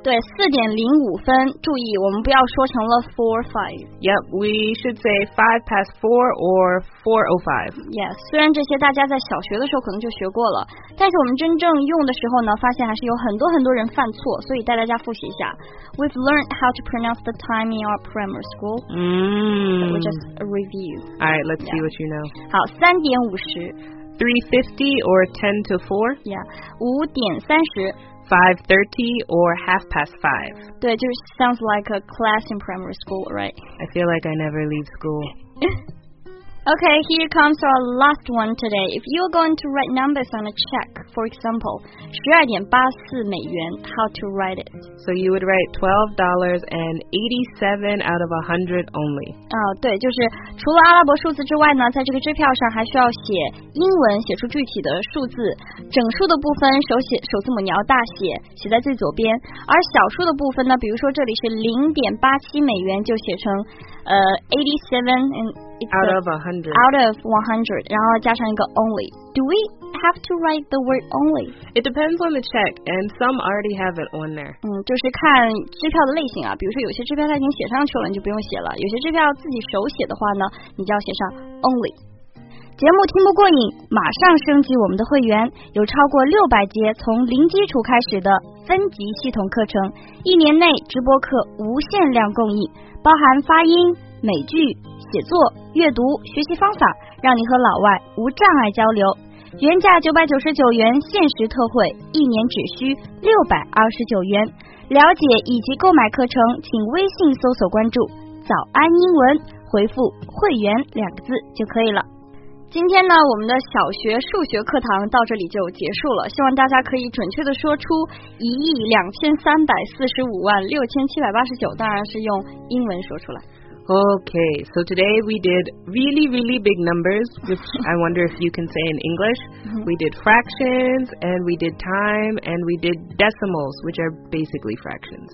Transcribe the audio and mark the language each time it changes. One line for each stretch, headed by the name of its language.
Chinese: 对，4:05，注意我们不要说成了 4:05。
English: Yep, we should say 4:05 or 4:05.
Chinese: Yes, 虽然这些大家在小学的时候可能就学过了，但是我们真正用的时候呢，发现还是有很多很多人犯错，所以带大家复习一下。
English: We've learned how to pronounce the time in our primary school. We just review. Alright, let's see what you know.
Chinese: 好，3:50。
English: 3:50 or 10:04. Yeah, 5:30。 5:30 or 5:30.
Chinese: 对，就是
English: sounds like a class in primary school, right? I feel like I never leave school. Okay, here comes our last one today. If you're going to write numbers on a check, for example, 12.84 美元, how to write it? So you would write $12.87 out of 100 only.
Chinese: 对，就是除了阿拉伯数字之外呢，在这个支票上还需要写英文，写出具体的数字。整数的部分首字母你要大写，写在最左边。而小数的部分呢，比如说这里是0.87美元，就写成87 and
English: out of 100,
Chinese: 然后加上一个 only.
English: Do we have to write the word only? It depends on the check, and some already have it on there.
Chinese: 就是看支票的类型啊，比如说有些支票它已经写上去了，你就不用写了；有些支票自己手写的话呢，你就要写上 only。节目听不过瘾，马上升级我们的会员，有超过600节从零基础开始的分级系统课程，一年内直播课无限量供应，包含发音、美剧、写作、阅读、学习方法，让你和老外无障碍交流。原价999元，限时特惠，一年只需629元。了解以及购买课程，请微信搜索关注早安英文，回复会员两个字就可以了。今天呢，我们的小学数学课堂到这里就结束了，希望大家可以准确地说出12,345,6,789，当然是用英文说出来。
English: Okay, so today we did really, really big numbers, which I wonder if you can say in English. We did fractions, and we did time, and we did decimals, which are basically fractions.